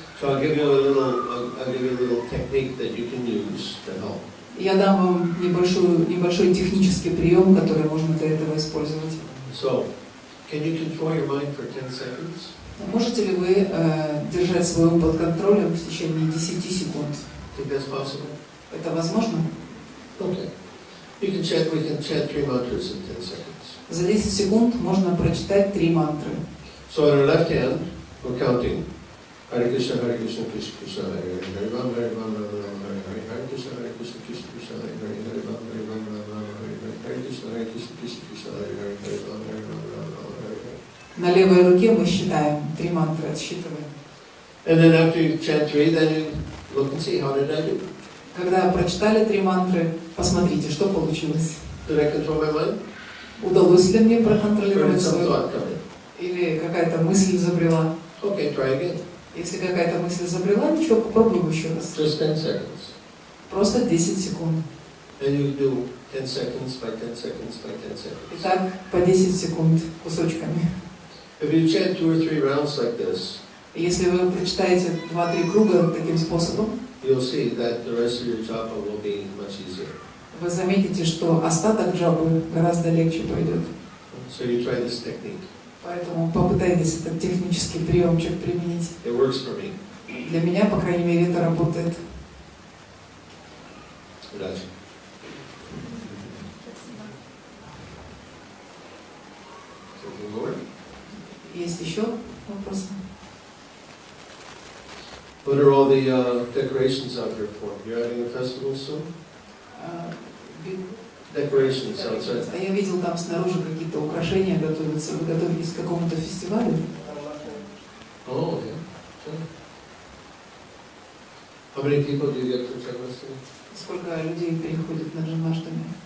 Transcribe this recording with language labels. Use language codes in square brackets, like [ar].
[en] So I'll give you a little technique that you can use to help. [ru] Я дам вам небольшой технический прием, который можно для этого использовать. [en] So, can you control your mind for 10 seconds? [ru] Можете ли вы держать свой ум под контролем в течение 10 секунд? [en] Think that's possible? [ru] Это возможно? [en] Okay. We can chant 3 mantras in 10 seconds. [ru] За 10 секунд можно прочитать 3 мантры. [en] So on our left hand. We're counting. [sa] Hare Krishna, Hare Krishna, Krishna Krishna, Hare Hare, Hare Rama, Hare Rama, Rama Rama, Hare Hare. Hare Krishna, Hare Krishna, Krishna Krishna, Hare Hare, Hare Rama, Hare Rama, Rama Rama, Hare Hare. Hare Krishna, Hare Krishna, Krishna Krishna, Hare Hare, Hare Rama, Hare Rama, Rama Rama, Hare Hare. [ru] На левой руке мы считаем три мантры, отсчитываем. [en] And then after you chant three, then you look and see how did I do. [ru] Когда прочитали три мантры, посмотрите, что получилось. [en] Did I control my mind? [ru] Удалось ли мне проконтролировать свой? Или какая-то мысль изобрела? [en] Okay, try again. [ru] Если какая-то мысль изобрела, ничего, попробуем еще раз. [en] Just 10 seconds. [ru] Просто 10 секунд. [en] And you do 10 seconds by 10 seconds by 10 seconds. [ru] Итак, по 10 секунд кусочками. [en] If you chant 2 or 3 rounds like this, [ru] если вы прочитаете 2-3 круга таким способом, [en] you'll see that the rest of your japa will be much easier. [ru] Вы заметите, что остаток джапы гораздо легче пойдет. [en] So you try this technique. [ru] Поэтому попытайтесь этот технический приемчик применить. [en] It works for me. [ru] Для меня, по крайней мере, это работает. Удачи. Спасибо. Есть еще вопросы? [en] What are all the decorations out here for? You're having a festival soon? Decorations outside. [ru] А я видел там снаружи какие-то украшения готовятся. Вы готовились к какому-то фестивалю? [en] Oh, yeah. How many people do you get for Джанмаштами? [ru] Сколько людей приходит на Джанмаштами?